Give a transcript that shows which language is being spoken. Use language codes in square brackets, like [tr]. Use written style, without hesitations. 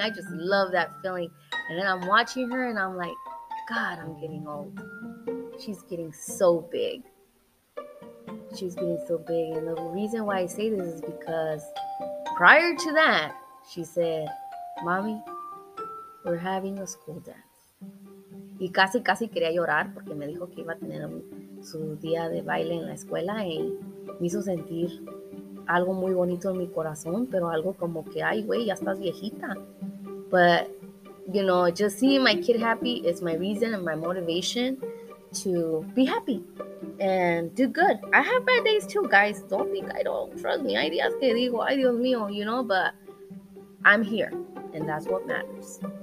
[en] I just love that feeling. And then I'm watching her and I'm like, God, I'm getting old. She's getting so big. She's getting so big. And the reason why I say this is because prior to that, she said, mommy, we're having a school dance. [es] Y casi, casi quería llorar porque me dijo que iba a tener su día de baile en la escuela y me hizo sentir algo muy bonito en mi corazón, pero algo como que, ay, güey, ya estás viejita. [en] But, you know, just seeing my kid happy is my reason and my motivation to be happy and do good. I have bad days too, guys. Don't think I don't. Trust me. [es] Hay días que digo, ay, Dios mío, [en] you know, but I'm here and that's what matters.